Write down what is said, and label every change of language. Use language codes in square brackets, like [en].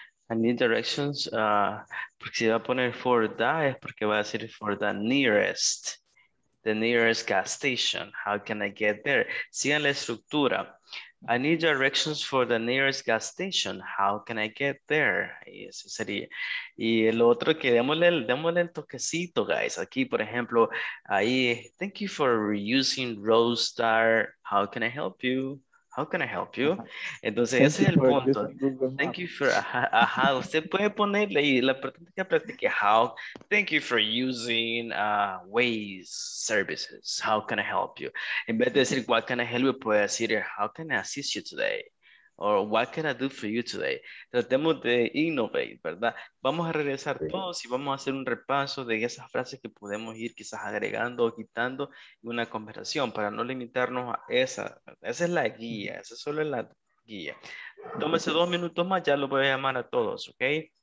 [en] I need directions. [es] Porque si va a poner [en] for that, [es] es porque va a decir [en] for the nearest gas station. How can I get there? [es] Sigan la estructura. [en] I need directions for the nearest gas station. How can I get there? [es] Y eso sería. Y el otro que démosle el toquecito, guys. Aquí, por ejemplo, ahí, [en] thank you for reusing Roadstar. How can I help you? How can I help you? [es] Entonces, ese es el punto. [en] Thank you for, [es] usted puede ponerle ahí la práctica, [en] how, thank you for using Waze services. How can I help you? [es] En vez de decir, [en] what can I help you, puede decir, how can I assist you today? Or what can I do for you today? [es] Tratemos de [en] innovate, [es] ¿verdad? Vamos a regresar todos y vamos a hacer un repaso de esas frases que podemos ir quizás agregando o quitando en una conversación para no limitarnos a esa. Esa es la guía, esa solo es la guía. Tómese dos minutos más, ya lo voy a llamar a todos, ¿ok?